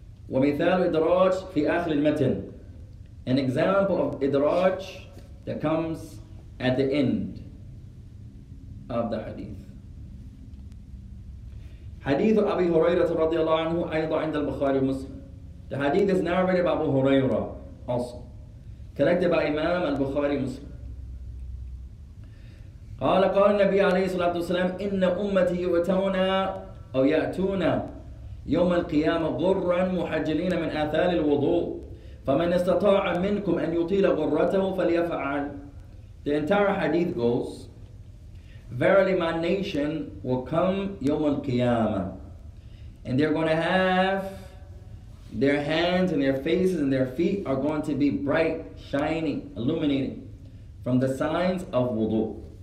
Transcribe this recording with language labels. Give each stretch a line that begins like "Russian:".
Arabic: ومثال إدراج في آخر المتن.
English: An example of إدراج that comes at the end of the hadith.
Arabic: حديث أبي هريرة رضي الله عنه أيضا عند البخاري ومسلم.
English: The hadith is narrated by Abu Huraira also, collected by Imam al-Bukhari Muslim.
Arabic: قال قال النبي عليه الصلاة والسلام إن أمتي يؤتون أو يأتون يوم القيامة غرا محجلين من آثال الوضوء فمن استطاع منكم أن يطيل غرته فليفعل.
English: The entire hadith goes, verily my nation will come
Arabic: يوم القيامة
English: and they're going to have their hands and their faces and their feet are going to be bright, shining, illuminating from the signs of wudu.